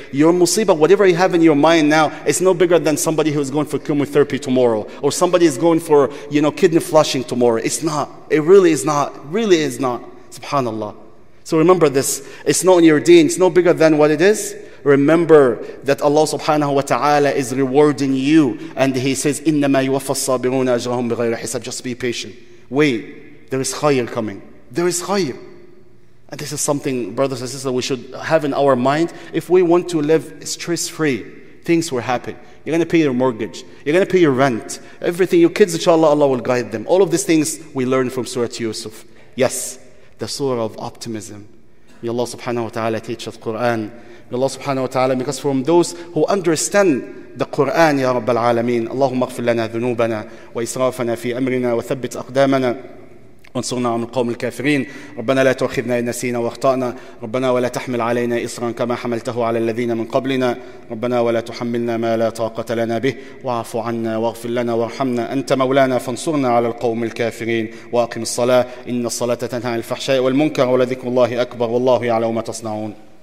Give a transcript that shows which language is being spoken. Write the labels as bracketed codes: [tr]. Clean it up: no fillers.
[en] Your musibah, whatever you have in your mind now, is no bigger than somebody who is going for chemotherapy tomorrow, or somebody is going for, you know, kidney flushing tomorrow. It's not. It really is not. Really is not. SubhanAllah. So remember this. It's not in your deen. It's no bigger than what it is. Remember that Allah subhanahu wa ta'ala is rewarding you. And He says, [ar] إِنَّمَا يُوَفَّى الصَّابِرُونَ أَجْرَهُمْ بِغَيْرَ حِسَابٍ. [en] Just be patient. Wait. There is khayr coming. There is khayr. And this is something, brothers and sisters, we should have in our mind. If we want to live stress-free, things will happen. You're going to pay your mortgage. You're going to pay your rent. Everything, your kids, inshallah, Allah will guide them. All of these things we learn from Surah Yusuf. Yes. The surah of optimism. May Allah subhanahu wa ta'ala teach us Quran. May Allah subhanahu wa ta'ala make us from those who understand the Quran, Ya Rabbal Alameen. [ar] Allahumma aghfir lana dhunubana wa israfana fi amrina wa thabbit aqdamana. وانصرنا عن القوم الكافرين ربنا لا تؤاخذنا إن نسينا واخطأنا ربنا ولا تحمل علينا إصرا كما حملته على الذين من قبلنا ربنا ولا تحملنا ما لا طاقة لنا به واعف عنا واغفر لنا وارحمنا أنت مولانا فانصرنا على القوم الكافرين وأقم الصلاة إن الصلاة تنهى عن الفحشاء والمنكر ولذكر الله أكبر والله يعلم ما تصنعون.